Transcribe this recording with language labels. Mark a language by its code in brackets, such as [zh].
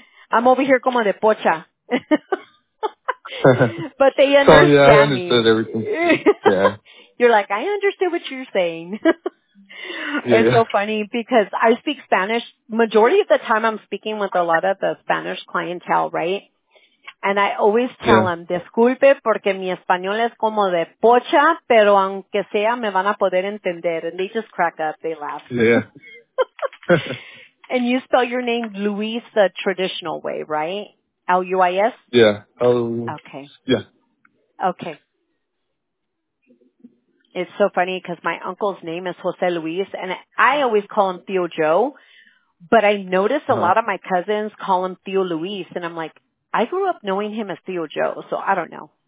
[en] I'm over here [es] como de pocha. [en] But they understand. Sorry, yeah, I understood everything. Yeah. You're like, I understood what you're saying. It's so funny because I speak Spanish. Majority of the time I'm speaking with a lot of the Spanish clientele, right? And I always tell them, [es] disculpe, porque mi español es como de pocha, pero aunque sea, me van a poder entender. [en] And they just crack up. They laugh. Yeah. And you spell your name Luis the traditional way, right? L-U-I-S? Yeah. Okay. Yeah. Okay. It's so funny because my uncle's name is Jose Luis, and I always call him Theo Joe, but I notice a lot of my cousins call him Theo Luis, and I'm like, I grew up knowing him as Theo Joe, so I don't know.